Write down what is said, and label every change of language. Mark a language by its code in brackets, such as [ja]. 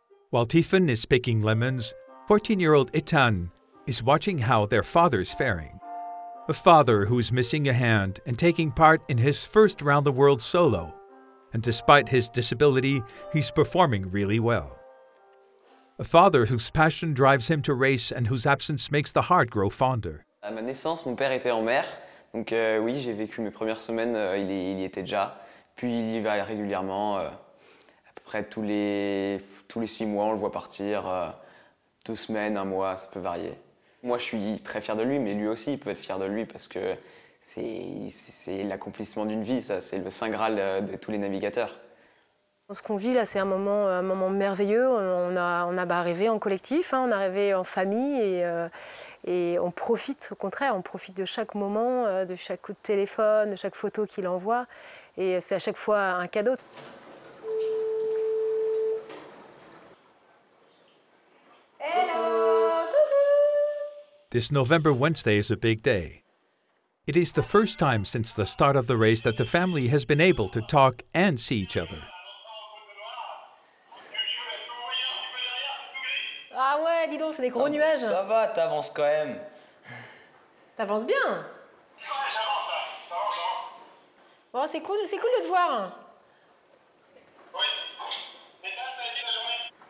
[en] While Tiffaine is picking lemons, 14-year-old Etan is watching how their father is faring. A father who is missing a hand and taking part in his first round-the-world solo. And despite his disability, he's performing really well. A father whose passion drives him to race and whose absence makes the heart grow fonder. [fr] À ma naissance, mon père était en mer. Donc oui, j'ai vécu mes premières semaines, il y était déjà. Puis il y va régulièrement, à peu près tous les six mois, on le voit partir. Deux semaines, un mois, ça peut varier. Moi, je suis très fier de lui, mais lui aussi, il peut être fier de lui parce que c'est l'accomplissement d'une vie, ça. C'est le saint graal de tous les navigateurs. Ce qu'on vit là, c'est un moment merveilleux. On a rêvé en collectif, hein, on a rêvé en famille et on profite, au contraire, on profite de chaque moment, de chaque coup de téléphone, de chaque photo qu'il envoie. Et c'est à chaque fois un cadeau. [en] Hello! This November Wednesday is a big day. It is the first time since the start of the race that the family has been able to talk and see each other. [fr] Ah ouais, dis donc, c'est des gros nuages. Ça va, t'avances quand même. T'avances bien. Ouais, j'avance. Bon, c'est cool de te voir. Oui. Mais t'as, ça a été la journée.